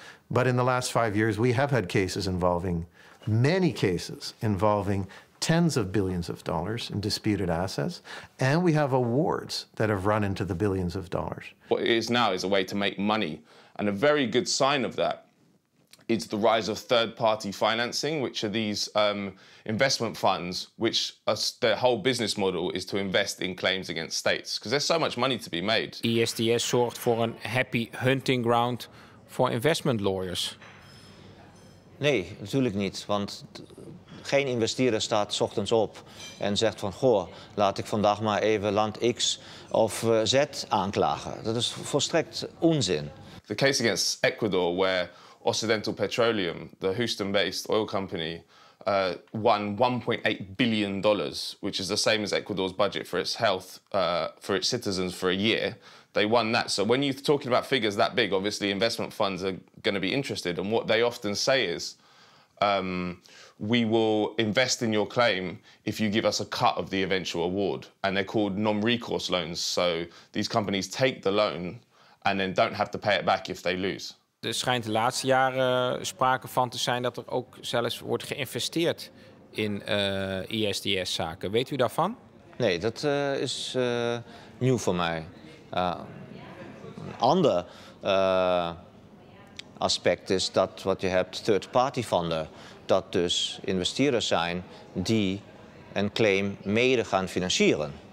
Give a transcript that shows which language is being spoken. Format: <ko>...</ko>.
<en>But in the last 5 years, we have had cases involving many cases involving tens of billions of dollars in disputed assets, and we have awards that have run into the billions of dollars. What it is now is a way to make money, and a very good sign of that is the rise of third-party financing, which are these investment funds, which their whole business model is to invest in claims against states, because there's so much money to be made.</en> <nl>ISDS zorgt voor een</nl> <en>happy hunting ground</en> <nl>voor</nl> <en>investment lawyers.</en> <nl>Nee, natuurlijk niet, want geen investeerder staat 's ochtends op en zegt van goh, laat ik vandaag maar even land X of Z aanklagen. Dat is volstrekt onzin.</nl> <en>The case against Ecuador, where Occidental Petroleum, the Houston-based oil company, won $1.8 billion, which is the same as Ecuador's budget for its health for its citizens for a year. They won that. So when you're talking about figures that big, obviously investment funds are going to be interested. And what they often say is, we will invest in your claim if you give us a cut of the eventual award. And they're called non-recourse loans. So these companies take the loan and then don't have to pay it back if they lose.</en> <nl>Er schijnt de laatste jaren sprake van te zijn dat er ook zelfs wordt geïnvesteerd in ISDS-zaken. Weet u daarvan? Nee, dat is nieuw voor mij. Een ander aspect is dat wat je hebt third-party funder, dat dus investeerders zijn die een claim mede gaan financieren.</nl>